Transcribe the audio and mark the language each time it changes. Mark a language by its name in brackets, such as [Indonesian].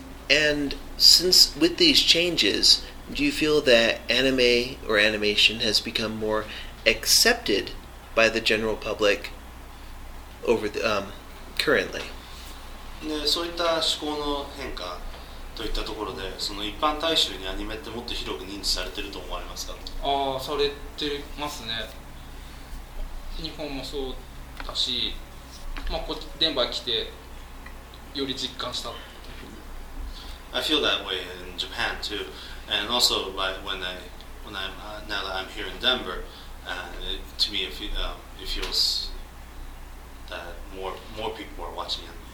[English] And since with these changes, do you feel that anime or animation has become more accepted by the general public over the, currently? [Japanese] そういった思考の変化といったところで、その一般大衆にアニメってもっと広く認知されてると思われますか？ああ、されてますね。日本もそうだし、まあ、こっち、デンバー来てより実感した。 [English] I feel that way in Japan too, and also now that I'm here in Denver, to me it feels that more people are watching it.